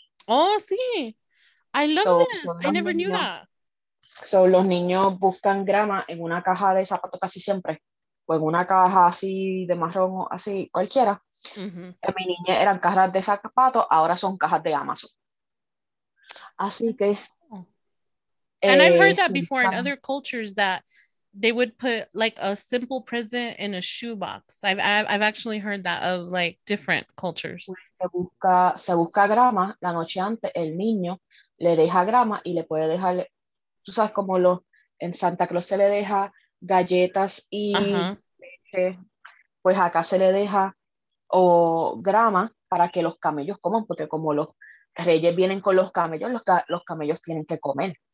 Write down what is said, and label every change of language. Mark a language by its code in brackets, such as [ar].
[es] Oh, sí. [en] I love this. I never knew that. [es] So los niños buscan grama en una caja de zapato casi siempre. O en una caja así de marrón o así, cualquiera. Mm-hmm. Mi niña eran cajas de zapato, ahora son cajas de Amazon. Así que... [en] And I've heard that before in other cultures that they would put like a simple present in a shoebox. I've actually heard that of like different cultures. [es] Se busca grama la noche antes, el niño... le deja grama y le puede dejar, tú sabes cómo lo, en Santa Claus se le deja galletas y leche, pues acá se le deja grama para que los camellos coman, porque como los reyes vienen con los camellos tienen que comer.